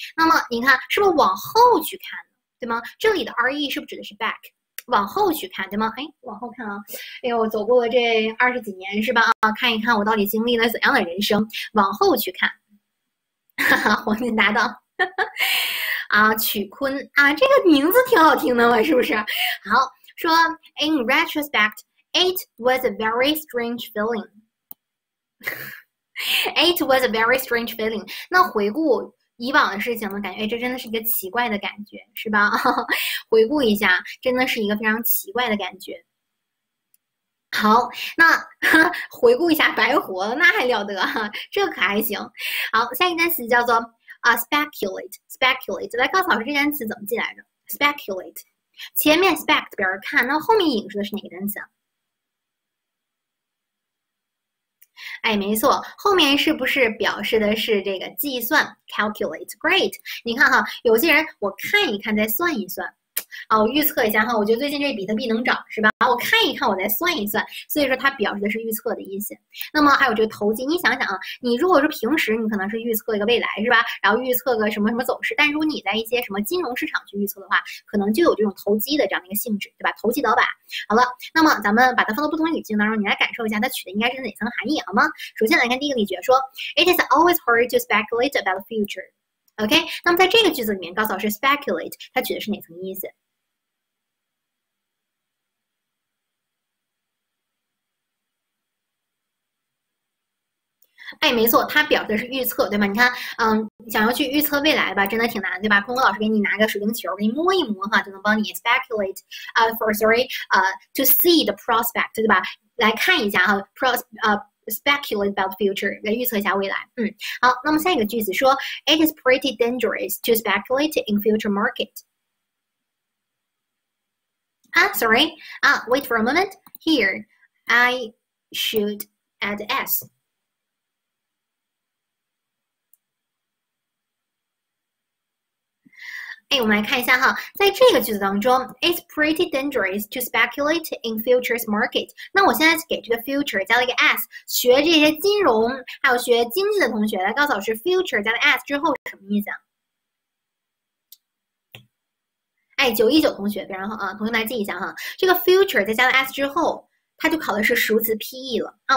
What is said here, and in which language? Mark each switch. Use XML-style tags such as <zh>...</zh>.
<zh>那么你看，是不是往后去看，对吗？这里的 re 是不是指的是 back，往后去看，对吗？哎，往后看啊，哎呦，我走过了这20几年，是吧？啊，看一看我到底经历了怎样的人生，往后去看。哈哈，黄金搭档，啊，曲坤啊，这个名字挺好听的嘛，是不是？好，说</zh> <en>in retrospect，it was a very strange feeling。 It was a very strange feeling。</en> <zh>那回顾以往的事情呢，感觉，哎，这真的是一个奇怪的感觉，是吧？回顾一下，真的是一个非常奇怪的感觉。好，那回顾一下白活，那还了得？这可还行。好，下一个单词叫做speculate。来，告诉老师这单词怎么记来着？speculate，前面 spect 表示看，那后面引出的是哪个单词啊？哎，没错，后面是不是表示的是这个计算？Calculate，</zh> <en>great。</en> <zh>你看哈，有些人我看一看再算一算，啊，我预测一下哈，我觉得最近这比特币能涨是吧？啊，我看一看我再算一算，所以说它表示的是预测的意思。那么还有这个投机，你想想啊，你如果是平时你可能是预测一个未来是吧？然后预测个什么什么走势，但如果你在一些什么金融市场去预测的话，可能就有这种投机的这样的一个性质，对吧？投机倒把。好了，那么咱们把它放到不同语境当中，你来感受一下它取的应该是哪层含义，好吗？首先来看第一个例句，说</zh> <en>"It is always hard to speculate about the future."</en> <zh>OK，那么在这个句子里面，告诉老师 "speculate" 它取的是哪层意思？哎，没错，它表示的是预测，对吧？你看，嗯，想要去预测未来吧，真的挺难，对吧？空哥老师给你拿个水晶球，给你摸一摸哈，就能帮你 speculate，</zh> <en>to see the prospect，</en> <zh>对吧？来看一下哈，pros， speculate about future，来预测一下未来。好，那么下一个句子说，</zh> <en>It is pretty dangerous to speculate in future market。 Sorry. Wait for a moment. Here, I should add S.</en> <zh>我们来看一下哈，在这个句子当中，</zh> <en>It's pretty dangerous to speculate in futures market。</en> <zh>那我现在给这个 future 加了一个 s，学这些金融还有学经济的同学来告诉老师，future 加了 s 之后什么意思啊？哎，919同学，然后啊，同学们来记一下哈，这个 future 再加了 s 之后，它就考的是熟词 PE 了啊。</zh>